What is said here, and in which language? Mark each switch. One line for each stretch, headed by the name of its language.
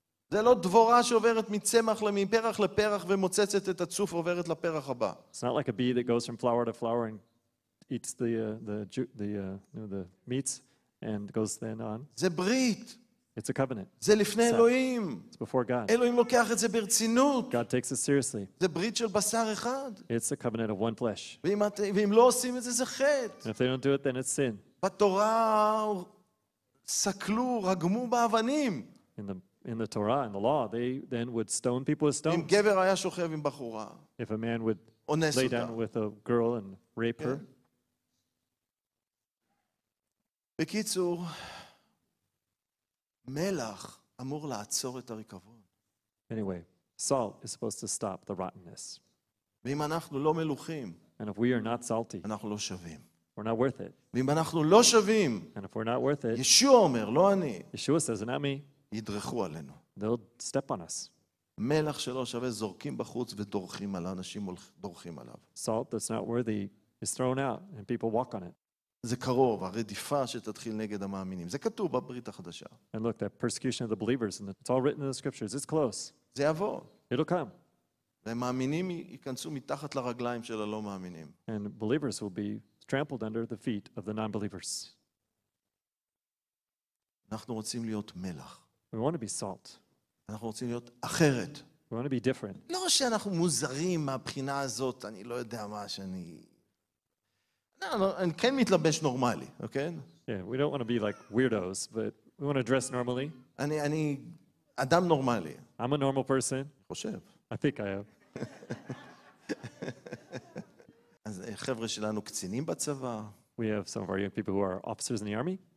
Hebrew: זה לא דבורה שעוברת מצמח למפרח לפרח ומוצצת את הצוף עוברת לפרח הבא.
English: It's not like a bee that goes from flower to flower and eats the meats and goes then on.
Hebrew: זה ברית.
English: It's a covenant.
Hebrew: זה לפני אלוהים.
English: It's before God.
Hebrew: אלוהים לוקח את זה ברצינות.
English: God takes it seriously.
Hebrew: זה ברית של בשר אחד.
English: It's a covenant of one flesh.
Hebrew: ואם לא עושים את זה, זה חטא.
English: If they don't do it, then it's sin.
Hebrew: בתורה סקלו, רגמו באבנים.
English: In the Torah and the law, they then would stone people with stones.
Hebrew: אם גבר היה שוכב עם בחורה.
English: If a man would lay down with a girl and rape her.
Hebrew: בקיצור, מלח אמור לעצור את הריקבון.
English: Anyway, salt is supposed to stop the rottenness.
Hebrew: ואם אנחנו לא מלוחים,
English: and if we are not salty,
Hebrew: אנחנו לא שווים.
English: We're not worth it.
Hebrew: ואם אנחנו לא שווים,
English: and if we're not worth it,
Hebrew: ישוע אומר, לא אני.
English: Yeshua says, not me.
Hebrew: ידרכו עלינו.
English: They'll step on us.
Hebrew: מלח שלא שווה זורקים בחוץ ודורכים על אנשים דורכים עליו.
English: Salt that's not worthy is thrown out and people walk on it.
Hebrew: זה קרוב, הרדיפה שתתחיל נגד המאמינים. זה כתוב בברית החדשה.
English: And look, that persecution of the believers, and it's all written in the scriptures. It's close.
Hebrew: זה יבוא.
English: It'll come.
Hebrew: והמאמינים ייכנסו מתחת לרגליים של הלא מאמינים.
English: And believers will be trampled under the feet of the non-believers.
Hebrew: אנחנו רוצים להיות מלח.
English: We want to be salt.
Hebrew: אנחנו רוצים להיות אחרת.
English: We want to be different.
Hebrew: לא שאנחנו מוזרים מהבחינה הזאת, אני לא יודע מה שאני... אני כן מתלבש נורמלי, אוקיי?
English: Yeah, we don't want to be like weirdos, but we want to dress normally.
Hebrew: אני אדם נורמלי.
English: I'm a normal person.
Hebrew: חושב.
English: I think I am.
Hebrew: אז חבר'ה שלנו קצינים בצבא.
English: We have some of our young people who are officers in the army.